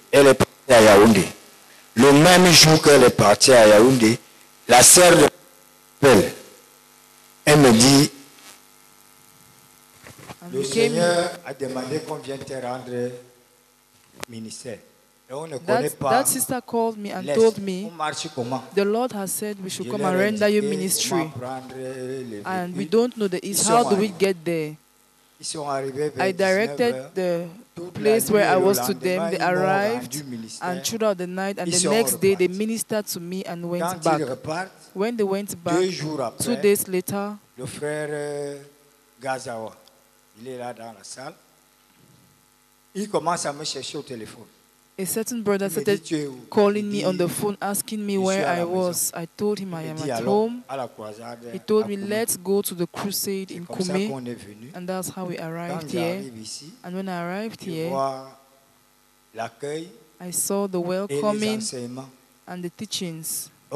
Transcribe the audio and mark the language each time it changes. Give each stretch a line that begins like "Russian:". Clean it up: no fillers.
French: Elle est partie à Yaoundé. Le même jour qu'elle est partie à Yaoundé, la sœur de m'appelle. Elle me dit, le Seigneur a demandé qu'on vienne te rendre ministère.
English: That sister called me and told me, the Lord has said we should come and render you ministry. And we don't know the east. How do we get there? I directed the place where I was to them. They arrived and throughout the night, and the next day they ministered to me and went back. When they went back, 2 days later,
French: le frère Gazawa, il est là dans la salle. Il commence à me chercher au téléphone.
English: A certain brother started calling me on the phone, asking me where I was. I told him I am at home. He told me, let's go to the crusade in Kume. And that's how we arrived here. And when I arrived here, I saw the welcoming and the teachings.